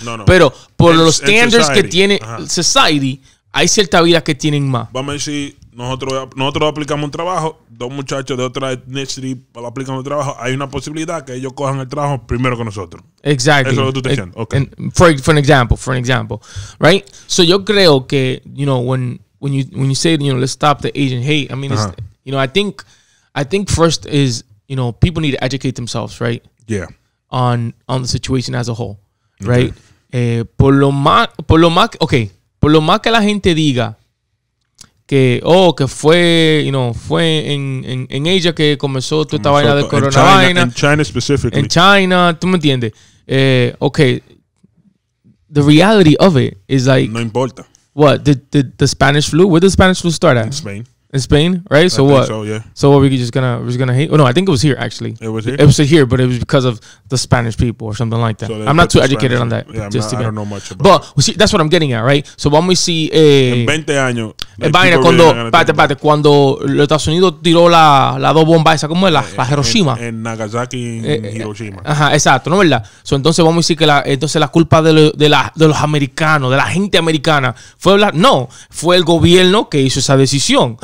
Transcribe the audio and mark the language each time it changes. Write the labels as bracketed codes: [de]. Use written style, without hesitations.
[es] No, no. Pero por los standards que tiene society, hay ciertas vidas que tienen más. Vamos a decir. Nosotros aplicamos un trabajo, dos muchachos de otra ethnicity aplican un trabajo, hay una posibilidad que ellos cojan el trabajo primero que nosotros. Exacto. Eso es lo que tú estás diciendo. Okay. [en] For an example, right? [es] So yo creo que, [en] you know, when you say, you know, let's stop the Asian hate, I mean, you know, I think first is, you know, people need to educate themselves, right? Yeah. On the situation as a whole, right? Okay. [es] Por lo más que la gente diga que fue en Asia que comenzó toda esta vaina del coronavirus. En China specifically. En China, tú me entiendes. [en] The reality of it is like... [es] No importa. [en] What? The Spanish flu? Where did the Spanish flu start at? In Spain. In Spain, right? So I what? So, yeah. So what, we're just gonna hate? Oh, no, I think it was here, actually. It was here, but it was because of the Spanish people or something like that. So I'm not too educated on that. Yeah, I don't know much about it. But, well, see, that's what I'm getting at, right? So when we see... [es] En 20 años... Vaina, cuando... Espérate, cuando los Estados Unidos tiró la dos bombas, esa, ¿cómo es? La Hiroshima. En Nagasaki, en Hiroshima. Ajá, exacto, ¿no es verdad? So, entonces vamos a decir que la culpa de los americanos, de la gente americana, fue la... No, fue el gobierno que hizo esa decisión.